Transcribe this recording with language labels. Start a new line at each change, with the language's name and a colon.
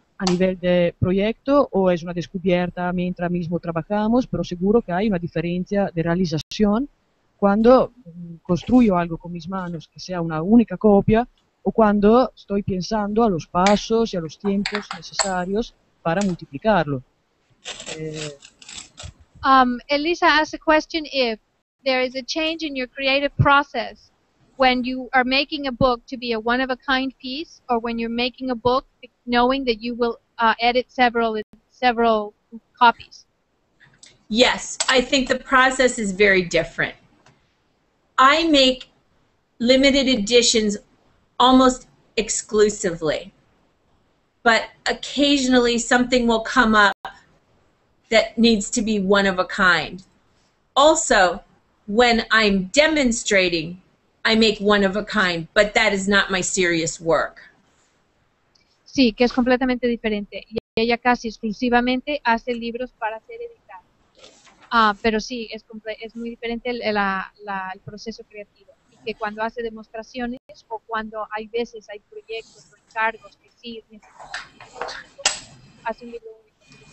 Spanish: a nivel de proyecto o es una descubierta mientras mismo trabajamos, pero seguro que hay una diferencia de realización cuando construyo algo con mis manos, que sea una única copia, o cuando estoy pensando a los pasos y a los tiempos necesarios para multiplicarlo.
English: Elisa asked a question if there is a change in your creative process when you are making a book to be a one-of-a-kind piece, or when you're making a book knowing that you will edit several copies. Yes, I think the process is very different. I make limited editions almost exclusively, but occasionally something will come up that needs to be one of a kind. Also, when I'm demonstrating, I make one of a kind, but that is not my serious work.
Spanish: Sí, que es completamente diferente. Y ella casi exclusivamente hace libros para ser editados. Pero sí, es muy diferente el proceso creativo. Y que cuando hace demostraciones o cuando hay veces hay proyectos o encargos que sí necesitan, hace un libro único.